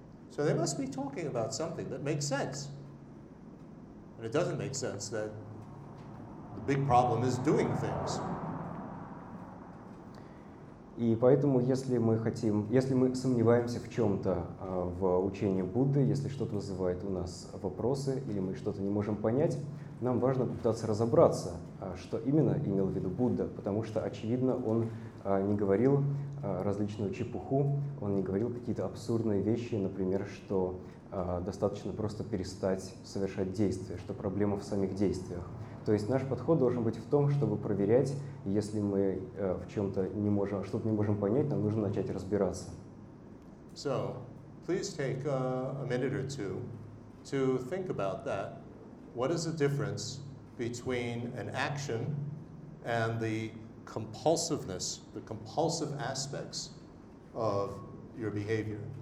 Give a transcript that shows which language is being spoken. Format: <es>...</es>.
<en>So they must be talking about something that makes sense. And it doesn't make sense that the big problem is doing things.</en> <ru>И поэтому, если мы хотим, если мы сомневаемся в чем-то в учении Будды, если что-то вызывает у нас вопросы или мы что-то не можем понять, нам важно попытаться разобраться, что именно имел в виду Будда, потому что, очевидно, он не говорил различную чепуху, он не говорил какие-то абсурдные вещи, например, что достаточно просто перестать совершать действия, что проблема в самих действиях. То есть наш подход должен быть в том, чтобы проверять, если мы в чем-то не можем, что-то не можем понять, нам нужно начать разбираться.</ru> <en>So, please take a minute or two to think about that. What is the difference between an action and the compulsiveness, the compulsive aspects of your behavior?</en>